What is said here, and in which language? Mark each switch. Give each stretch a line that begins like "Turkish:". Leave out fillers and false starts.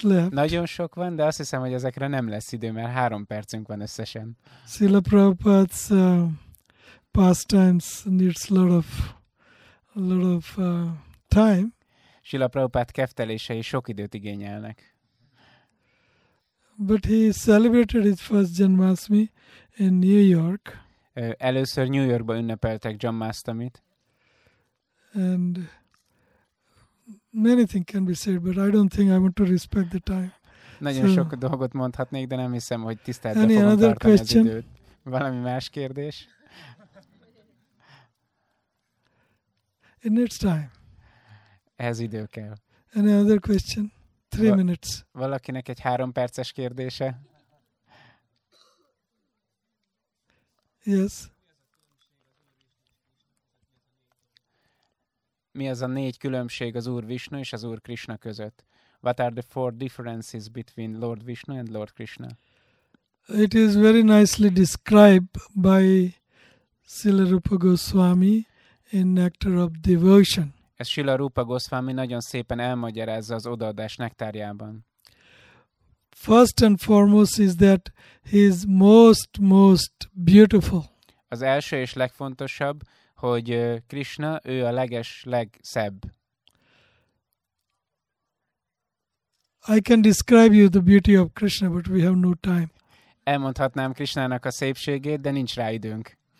Hungarian: Nagyon sok van, de azt hiszem, hogy ezekre nem lesz idő, mert 3 percünk van összesen.
English: Srila Prabhupada's pastimes needs a lot of time.
Hungarian: Srila Prabhupada keftelései sok időt igényelnek.
English: But he celebrated his first Janmasmi in New York.
Hungarian: Először New Yorkban ünnepeltek Janmasztamit.
English: And many things can be said, but I don't think I want to respect the time.
Hungarian: Nagyon so, sok dolgot mondhatnék, de nem hiszem, hogy tiszteletbe fogom tartani
English: another question?
Hungarian: Az időt. Valami más kérdés?
English: It needs time.
Hungarian: Ez idő kell.
English: Any other question? 3 minutes.
Hungarian: Valakinek egy 3 perces kérdése?
English: Yes.
Hungarian: Mi az a 4 különbség az Úr Vishnu és az Úr Krishna között?
English: What are the 4 differences between Lord Vishnu and Lord Krishna? It is very nicely described by Srila Rupa Goswami in Nectar of Devotion.
Hungarian: Ez Srila Rupa Goswami nagyon szépen elmagyarázza az odaadás nektárjában.
English: First and foremost is that he is most beautiful.
Hungarian: Az első és legfontosabb, hogy Krishna, ő a legszebb.
English: I can describe you the beauty of Krishna, but we have no time.
Hungarian: Elmondhatnám Krishnának a szépségét, de nincs rá időnk.